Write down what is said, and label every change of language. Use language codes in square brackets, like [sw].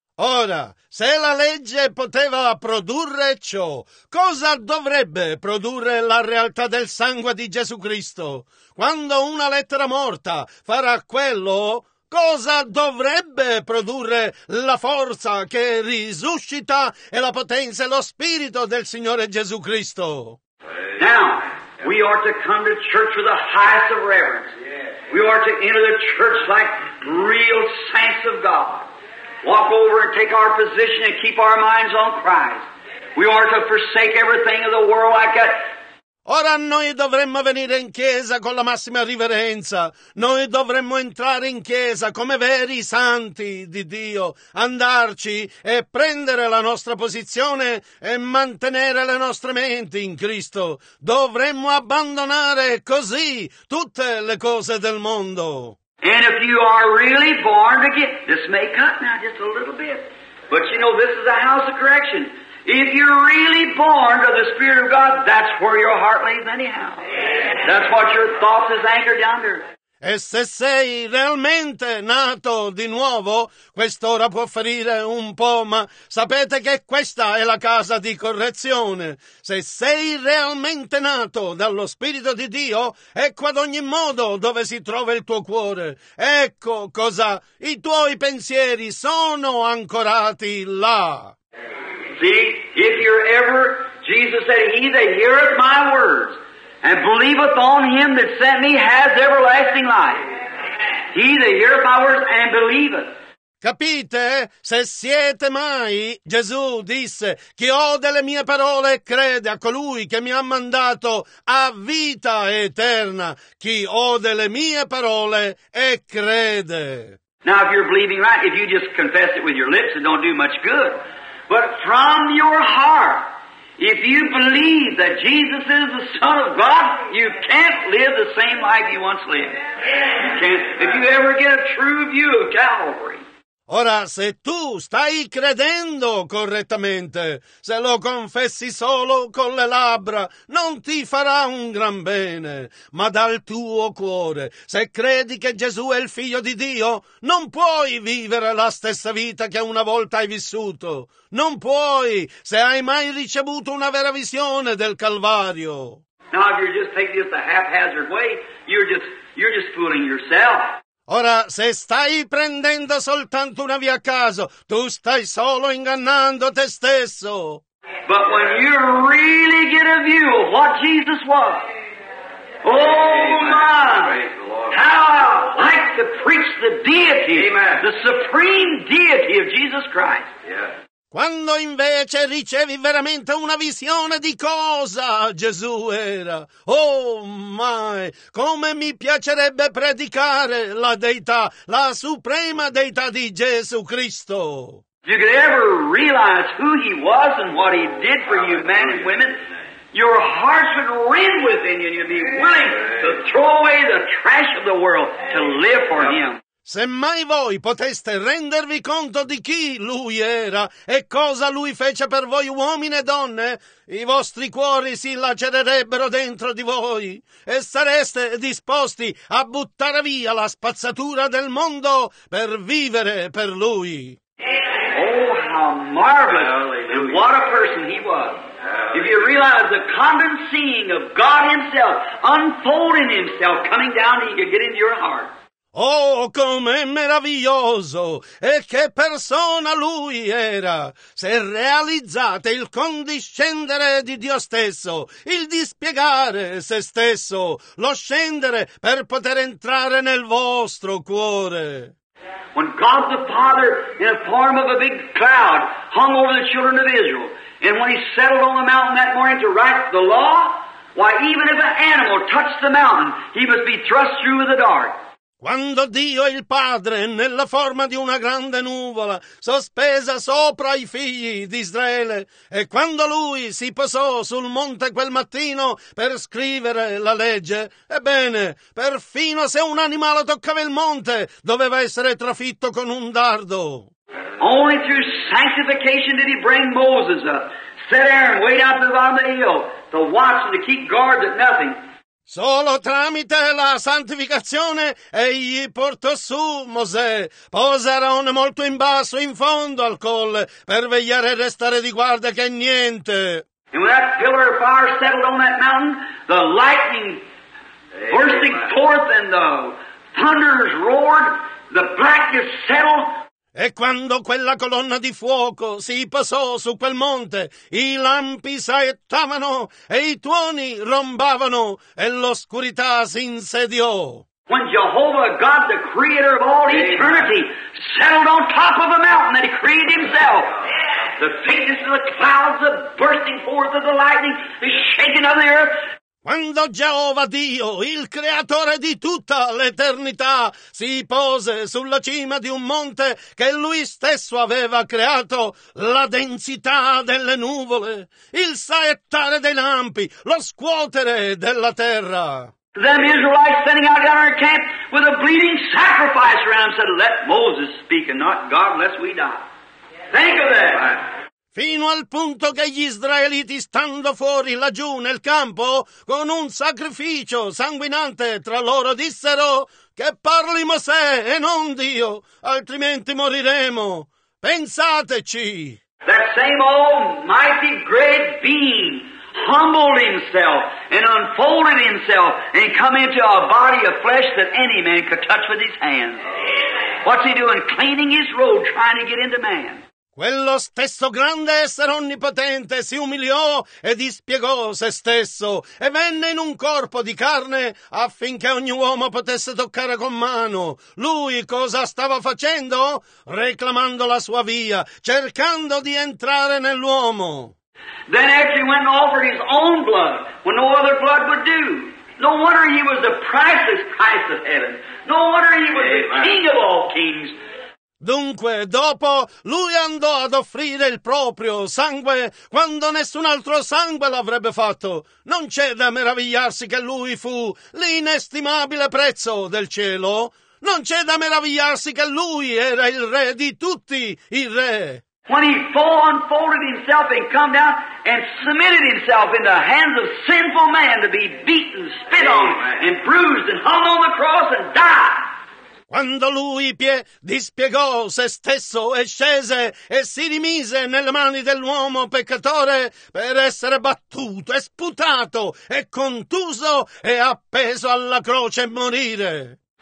[it] Ora, se la legge poteva produrre ciò, cosa dovrebbe produrre la realtà del sangue di Gesù Cristo? Quando una lettera morta farà quello, cosa dovrebbe produrre la forza che risuscita e la potenza e lo spirito del Signore Gesù Cristo? [en] Now, we are to come to church with the highest of reverence. We are to enter the church like real saints of God. Walk over and take our position and keep our minds on Christ. We are to forsake everything of the world like that. [it] Ora noi dovremmo venire in chiesa con la massima riverenza. Noi dovremmo entrare in chiesa come veri santi di Dio, andarci e prendere la nostra posizione e mantenere le nostre menti in Cristo. Dovremmo abbandonare così tutte le cose del mondo. [en] And if you are really born again, this may cut now just a little bit, but you know this is a house of correction. If you're really born of the Spirit of God, that's where your heart lays anyhow. That's what your thoughts is anchored under. [it] E se sei realmente nato di nuovo, quest'ora può ferire un po', ma sapete che questa è la casa di correzione. Se sei realmente nato dallo Spirito di Dio, ecco ad ogni modo dove si trova il tuo cuore. Ecco cosa i tuoi pensieri sono ancorati là. [en] See, if you're ever, Jesus said, he that heareth my words and believeth on him that sent me has everlasting life. He that heareth my words and believeth. [it] Capite? Se siete mai, Gesù disse, chi ode le mie parole e crede a colui che mi ha mandato a vita eterna. Chi ode le mie parole e crede. [en] Now if you're believing right, if you just confess it with your lips, it don't do much good. But from your heart, if you believe that Jesus is the Son of God, you can't live the same life you once lived. You can't, if you ever get a true view of Calvary. [it] Ora, se tu stai credendo correttamente, se lo confessi solo con le labbra, non ti farà un gran bene, ma dal tuo cuore. Se credi che Gesù è il Figlio di Dio, non puoi vivere la stessa vita che una volta hai vissuto. Non puoi, se hai mai ricevuto una vera visione del Calvario. [en] Now, if you're just taking this a haphazard way, you're just fooling yourself. [it] Ora, se stai prendendo soltanto una via a caso, tu stai solo ingannando te stesso. [en] But when you really get a view of what Jesus was, oh my, how I like to preach the deity, the supreme deity of Jesus Christ. [it] Quando invece ricevi veramente una visione di cosa Gesù era, [en] oh my, [it] come mi piacerebbe predicare la deità, la suprema deità di Gesù Cristo. [en] You could ever realize who he was and what he did for you men and women, your hearts would ring within you and you'd be willing to throw away the trash of the world to live for him. [it] Se mai voi poteste rendervi conto di chi lui era e cosa lui fece per voi uomini e donne, i vostri cuori si lacererebbero dentro di voi e sareste disposti a buttare via la spazzatura del mondo per vivere per lui. [en] Oh, how marvelous and what a person he was. If you realize the condensing of God himself, unfolding himself, coming down, he could get into your heart. [it] Oh, com'è meraviglioso! E che persona lui era! Se realizzate il condiscendere di Dio stesso, il dispiegare se stesso, lo scendere per poter entrare nel vostro cuore. [en] When God the Father, in a form of a big cloud, hung over the children of Israel, and when he settled on the mountain that morning to write the law, why, even if an animal touched the mountain, he must be thrust through with a dart. [it] Quando Dio il Padre, nella forma di una grande nuvola, sospesa sopra i figli di Israele, e quando Lui si posò sul monte quel mattino per scrivere la legge, ebbene, perfino se un animale toccava il monte, doveva essere trafitto con un dardo. [en] Only through sanctification did he bring Moses up. Set Aaron way out there on the hill to watch and to keep guard at nothing. [it] Solo tramite la santificazione egli portò su Mosè, pose Aaron molto in basso, in fondo al colle, per vegliare e restare di guardia che niente. [en] And when that pillar of fire settled on that mountain, the lightning bursting forth and the thunders roared, the blackness settled. [it] E quando quella colonna di fuoco si posò su quel monte, i lampi saettavano e i tuoni rombavano e l'oscurità si insediò. [en] When Jehovah God, the creator of all eternity, settled on top of a mountain that he created himself, the thickness of the clouds, the bursting forth of the lightning, the shaking of the earth. [it] Quando Geova Dio, il creatore di tutta l'eternità, si pose sulla cima di un monte che lui stesso aveva creato, la densità delle nuvole, il saettare dei lampi, lo scuotere della terra. [en] Then the Israelites sending out down our camp with a bleeding sacrifice around said, let Moses speak and not God lest we die. Think of that. [it] Fino al punto che gli israeliti, stando fuori laggiù nel campo, con un sacrificio sanguinante tra loro, dissero che parli Mosè e non Dio, altrimenti moriremo. Pensateci! [en] That same almighty great being humbled himself and unfolded himself and come into a body of flesh that any man could touch with his hands. What's he doing? Cleaning his robe, trying to get into man. [it] Quello stesso grande essere onnipotente si umiliò e dispiegò se stesso e venne in un corpo di carne affinché ogni uomo potesse toccare con mano. Lui cosa stava facendo? Reclamando la sua via, cercando di entrare nell'uomo. [en] Then after he went and offered his own blood, when no other blood would do. No wonder he was the priceless Christ of heaven. No wonder he was the king of all kings. [it] Dunque, dopo, lui andò ad offrire il proprio sangue quando nessun altro sangue l'avrebbe fatto. Non c'è da meravigliarsi che lui fu l'inestimabile prezzo del cielo. Non c'è da meravigliarsi che lui era il re di tutti i re. [en] When he full unfolded himself and come down and submitted himself in the hands of sinful man to be beaten, spit on, and bruised, and hung on the cross and die. [it] Quando lui dispiegò se stesso e scese e si rimise nelle mani dell'uomo peccatore per essere battuto e sputato e contuso e appeso alla croce e morire.